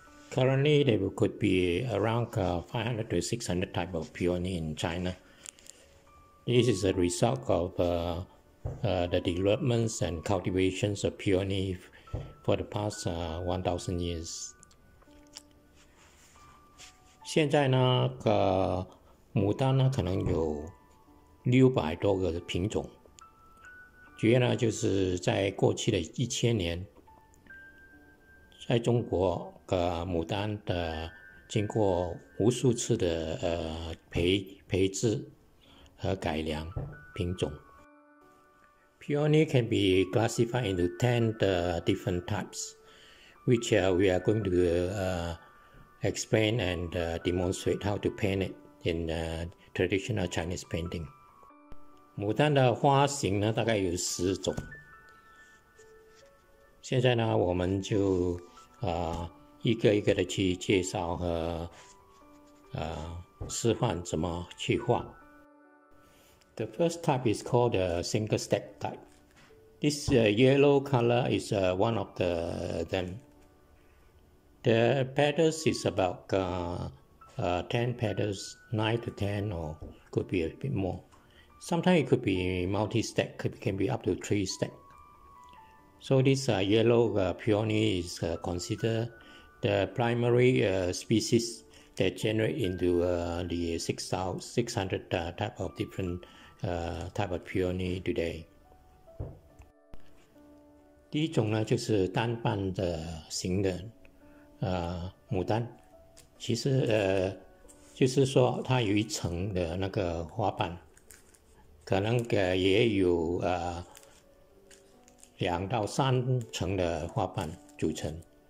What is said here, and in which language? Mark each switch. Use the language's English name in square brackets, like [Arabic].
[English] Currently, there could be around 500 to 600 types of peony in China. This is a result of the developments and cultivations of peony for the past 1,000 years. [Chinese] 现在呢，牡丹呢可能有600多个品种。主要呢就是在过去的1000年，在中国牡丹的经过无数次的培植和改良品种。 [English] Peony can be classified into 10 different types, which we are going to explain and demonstrate how to paint it in traditional Chinese painting. [Chinese] 牡丹的花型呢大概有十种。现在呢我们就一个一个的去介绍和示范怎么去画。 [English] The first type is called a single stack type. This yellow color is one of them. The petals is about 10 petals, 9 to 10 or could be a bit more. Sometimes it could be multi-stack, can be up to 3 stack. So this yellow peony is considered the primary species that generate into the 600 type of different type of peony today. [Chinese] 第一种呢就是单瓣的型的牡丹，其实就是说它有一层的那个花瓣，可能也有两到三层的花瓣组成。